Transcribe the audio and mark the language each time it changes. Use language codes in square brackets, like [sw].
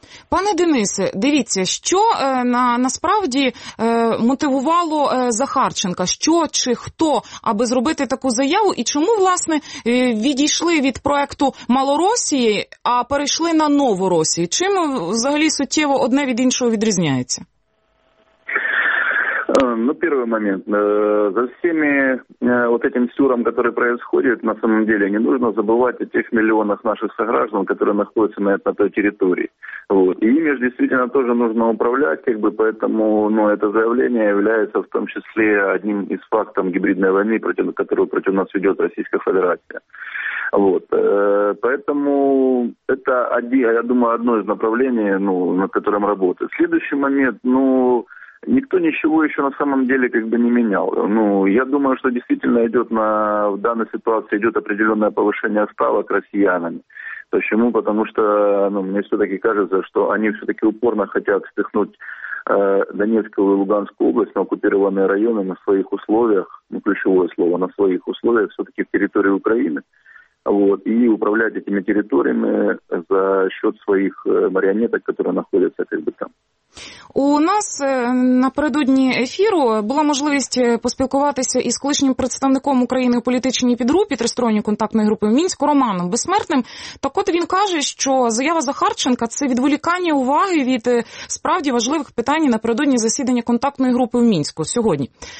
[uk] Пане Денисе, дивіться, що насправді мотивувало Захарченка? Що чи хто, аби зробити таку заяву? І чому, власне, відійшли від проекту «Малоросії», а перейшли на «Нову Росію»? Чим взагалі суттєво одне від іншого відрізняється? Ну, перший момент. [ru] За всіми от этим сюром, который происходит, на самом деле, не нужно забывать о тех миллионах наших сограждан, которые находятся на той территории. Вот. И ими же действительно тоже нужно управлять, как бы, поэтому ну, это заявление является в том числе одним из фактов гибридной войны, которую против нас ведет Российская Федерация. Вот. Поэтому это, я думаю, одно из направлений, ну, над которым работает. Следующий момент, ну, никто ничего еще на самом деле как бы не менял. Ну, я думаю, что действительно идет в данной ситуации идет определенное повышение ставок россиянами. Почему? Потому что ну, мне все-таки кажется, что они все-таки упорно хотят впихнуть Донецкую и Луганскую область на оккупированные районы на своих условиях, ну, ключевое слово, на своих условиях, все-таки в территории Украины. Вот, и управлять этими территориями за счет своих марионеток, которые находятся как бы там. [uk] У нас напередодні ефіру була можливість поспілкуватися із колишнім представником України у політичній підгрупі тристоронньої контактної групи в Мінську Романом Безсмертним. Так от він каже, що заява Захарченка – це відволікання уваги від справді важливих питань напередодні засідання контактної групи в Мінську сьогодні.